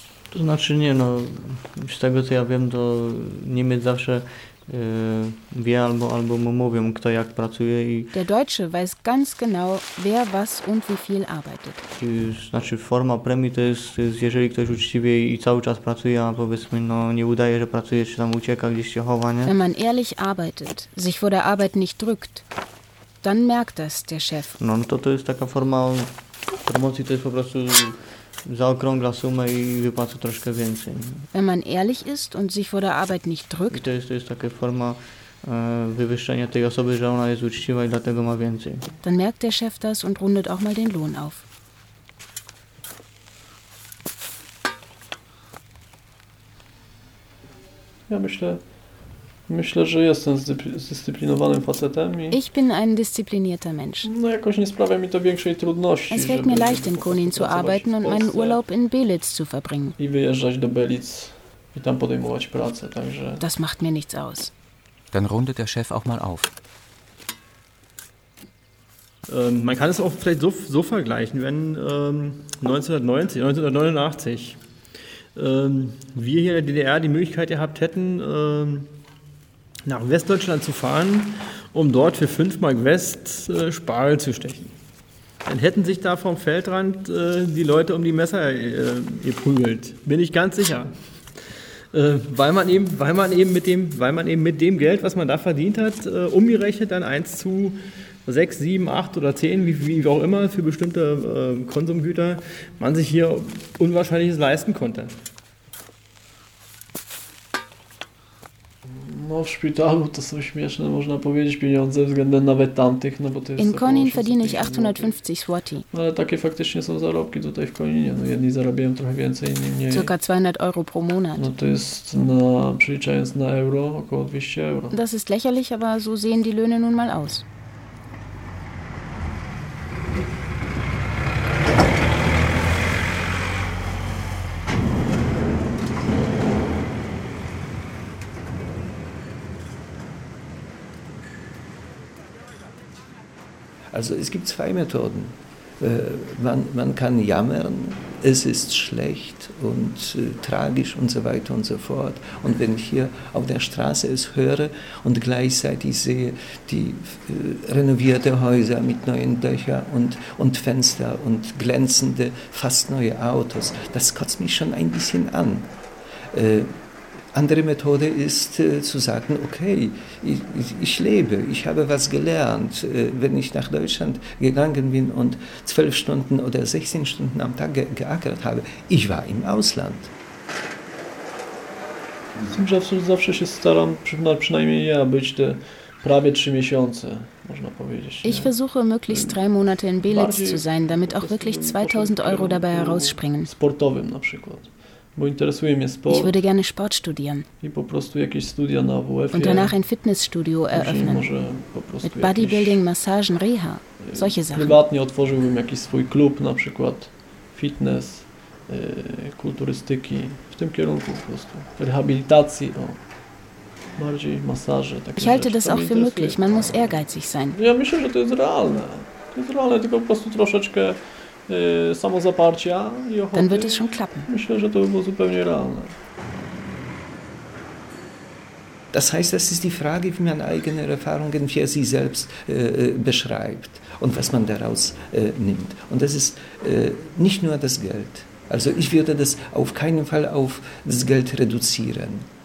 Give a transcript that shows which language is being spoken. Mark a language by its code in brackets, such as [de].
[pl] To znaczy nie, no z tego co ja wiem, to Niemiec zawsze wie albo mu mówią, kto jak pracuje. I [de] der Deutsche weiß ganz genau, wer was und wie viel arbeitet. [pl] Znaczy forma premii to jest, jeżeli ktoś uczciwie i cały czas pracuje, a powiedzmy, no nie udaje, że pracuje, czy tam ucieka, gdzieś się chowa, nie? [de] Wenn man ehrlich arbeitet, sich vor der Arbeit nicht drückt, dann merkt das der Chef. [pl] No, no to jest taka forma promocji, to jest po prostu zaokrągla sumę i wypłaca troszkę więcej. [de] Wenn man ehrlich ist und sich vor der Arbeit nicht drückt. [pl] To jest taka forma wywyższenia tej osoby, że ona jest uczciwa i dlatego ma więcej. [de] Dann merkt der Chef das und rundet auch mal den Lohn auf. [pl] Ja myślę, że jestem zdyscyplinowanym facetem. [de] Ich bin ein disziplinierter Mensch. [pl] No jakoś nie sprawia mi to większej trudności. [de] Es fällt mir leicht, in Konin zu arbeiten und meinen Urlaub in Belitz zu verbringen. [pl] I wyjeżdżać do Belitz i tam podejmować pracę, także. [de] Das macht mir nichts aus. Dann rundet der Chef auch mal auf. Man kann es auch vielleicht so vergleichen, wenn 1989 wir hier in der DDR die Möglichkeit gehabt hätten, nach Westdeutschland zu fahren, um dort für 5 Mark West Spargel zu stechen. Dann hätten sich da vom Feldrand die Leute um die Messer geprügelt, bin ich ganz sicher. Weil man eben mit dem Geld, was man da verdient hat, umgerechnet dann 1 zu 6, 7, 8 oder 10, wie auch immer, für bestimmte Konsumgüter, man sich hier Unwahrscheinliches leisten konnte. [pl] No, w szpitalu to są śmieszne, można powiedzieć, pieniądze względem nawet tamtych, no bo to jest. [de] In Konin verdiene ich 850 zloty. [pl] No, ale takie faktycznie są zarobki tutaj w Koninie. No, jedni zarabiają trochę więcej, inni mniej. [de] Circa 200 euro pro monat. [pl] No to jest, na, przeliczając na euro, około 200 euro. [de] Das ist lächerlich, aber so sehen die Löhne nun mal aus. Also es gibt 2 Methoden. Man kann jammern, es ist schlecht und tragisch und so weiter und so fort. Und wenn ich hier auf der Straße es höre und gleichzeitig sehe die renovierte Häuser mit neuen Dächern und Fenster und glänzende, fast neue Autos, das kotzt mich schon ein bisschen an. Andere Methode ist zu sagen, okay, ich lebe, ich habe was gelernt. Wenn ich nach Deutschland gegangen bin und 12 Stunden oder 16 Stunden am Tag geackert habe, ich war im Ausland. [pl] Zawsze się staram, przynajmniej ja, być te prawie 3 miesiące, można powiedzieć. [de] Ich versuche möglichst 3 Monate in Belitz zu sein, damit auch wirklich 2000 Euro dabei herausspringen. [pl] Sportowym na przykład. Bo interesuje mnie sport. [de] Ich würde gerne Sport studieren. [pl] I po prostu jakieś studia na WF-ie. [de] Und danach ein Fitnessstudio eröffnen. [pl] Może po prostu [de] mit Bodybuilding, Massagen, Reha. Solche Sachen. [pl] Prywatnie otworzyłbym jakiś swój klub, na przykład fitness, kulturystyki, w tym kierunku po prostu. Rehabilitacji, no. Bardziej masaże, takie rzeczy. [de] Ich halte das auch für möglich. Man muss ehrgeizig sein. [pl] Ja myślę, że to jest realne. kontrolę, tylko po prostu troszeczkę samozaparcia i ochoty. [de] Dann wird es schon klappen. [pl] Myślę, że to by było zupełnie realne. [de] Das heißt, das ist die Frage, wie man eigene Erfahrungen für sich selbst beschreibt und was man daraus nimmt. Und das ist nicht nur das Geld. Also ich würde das auf keinen Fall auf das Geld reduzieren.